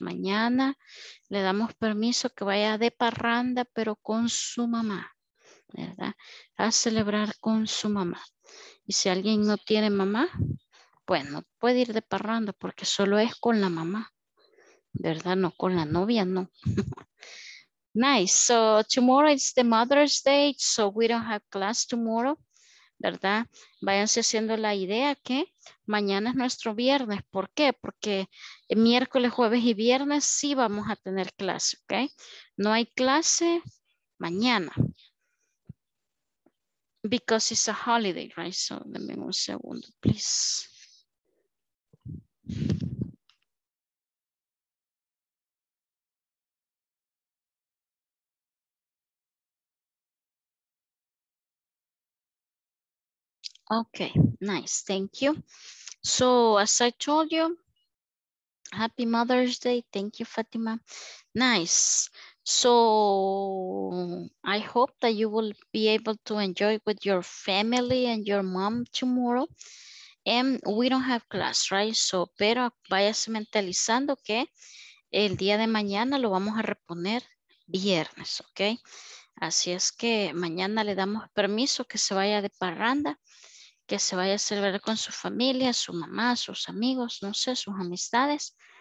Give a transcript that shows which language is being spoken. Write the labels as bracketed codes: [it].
[es] Mañana le damos permiso que vaya de parranda, pero con su mamá, ¿verdad? A celebrar con su mamá. Y si alguien no tiene mamá, pues no puede ir de parranda porque solo es con la mamá, ¿verdad? No con la novia, no. Nice. [en] So tomorrow is the Mother's Day, so we don't have class tomorrow. [es] ¿Verdad? Váyanse haciendo la idea que mañana es nuestro viernes. ¿Por qué? Porque miércoles, jueves y viernes sí vamos a tener clase, ¿ok? No hay clase mañana. [en] Because it's a holiday, right? So, [es] denme un segundo, [en] please. Okay, nice, thank you. So, as I told you, happy Mother's Day. Thank you, Fatima. Nice. So, I hope that you will be able to enjoy with your family and your mom tomorrow. And we don't have class, right? [es] So, pero váyase mentalizando que el día de mañana lo vamos a reponer viernes, okay? Así es que mañana le damos permiso que se vaya de parranda. Que se vaya a celebrar con su familia, su mamá, sus amigos, no sé, sus amistades.